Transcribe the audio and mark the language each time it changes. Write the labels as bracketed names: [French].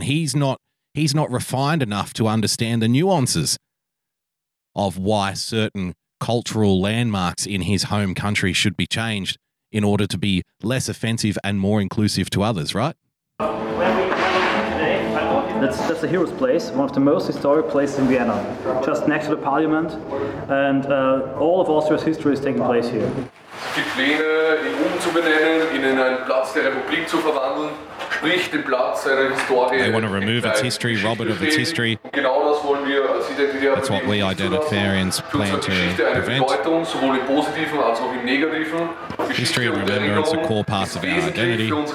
[English] He's not refined enough to understand the nuances of why certain cultural landmarks in his home country should be changed in order to be less offensive and more inclusive to others, right? That's a hero's place, one of the most historic places in Vienna, just next to the parliament, and all of Austria's history is taking place here. [German] Die Pläne, die umzubenennen, in einen Platz der Republik zu verwandeln, sprich den Platz seiner Historie. [English] They want to remove its history, rob it of its history. [German] Genau das wollen wir als Identitarier. [English] That's what we Identitarians plan to prevent. [German] Bedeutung, sowohl im Positiven als auch im Negativen. [English] History and remembrance are core parts of our identity.